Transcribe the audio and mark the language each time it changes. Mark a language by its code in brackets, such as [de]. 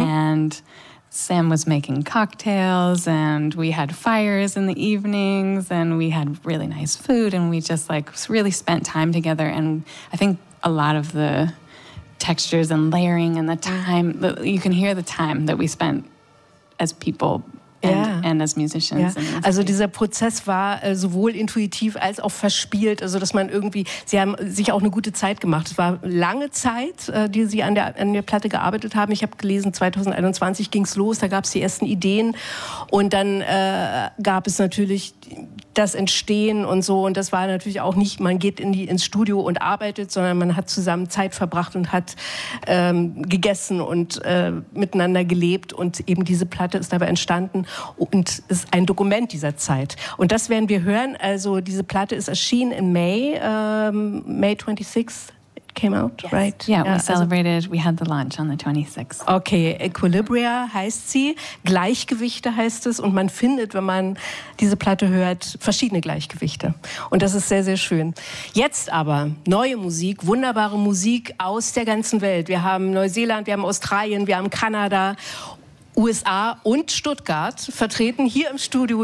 [en] And Sam was making cocktails and we had fires in the evenings and we had really nice food and we just like really spent time together. And I think a lot of the textures and layering and the time, you can hear the time that we spent as people. And as musicians. Yeah. [de] Also dieser Prozess war sowohl intuitiv als auch verspielt, also dass man irgendwie, sie haben sich auch eine gute Zeit gemacht. Es war lange Zeit, die sie an der Platte gearbeitet haben. Ich habe gelesen, 2021 ging es los, da gab es die ersten Ideen und dann gab es natürlich das Entstehen und so, und das war natürlich auch nicht, man geht ins Studio und arbeitet, sondern man hat zusammen Zeit verbracht und hat gegessen und miteinander gelebt, und eben diese Platte ist dabei entstanden und ist ein Dokument dieser Zeit. Und das werden wir hören. Also diese Platte ist erschienen im May. [en] May 26th it came out, yes. Right? Yeah, yeah, we celebrated, we had the launch on the 26th. [de] Okay, Equilibria heißt sie. Gleichgewichte heißt es. Und man findet, wenn man diese Platte hört, verschiedene Gleichgewichte. Und das ist sehr, sehr schön. Jetzt aber neue Musik, wunderbare Musik aus der ganzen Welt. Wir haben Neuseeland, wir haben Australien, wir haben Kanada, USA und Stuttgart vertreten hier im Studio.